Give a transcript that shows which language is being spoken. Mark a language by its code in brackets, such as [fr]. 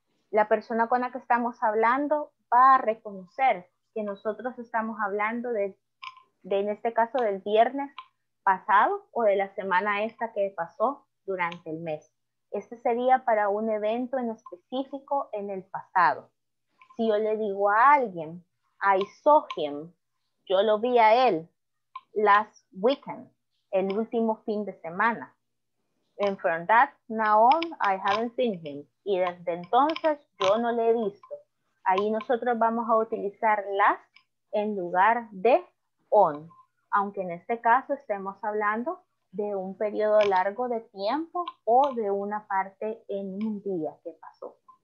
[es] La persona con la que estamos hablando va a reconocer que nosotros estamos hablando de en este caso, del viernes pasado o de la semana esta que pasó durante el mes. Este sería para un evento en específico en el pasado. Si yo le digo a alguien, [en] I saw him, [es] yo lo vi a él [en] last weekend, [es] el último fin de semana. [en] And from that now on, I haven't seen him. [es] Y desde entonces, yo no le he visto. Ahí nosotros vamos a utilizar last en lugar de on. Aunque en este caso estemos hablando de un periodo largo de tiempo o de una parte en un día que pasó.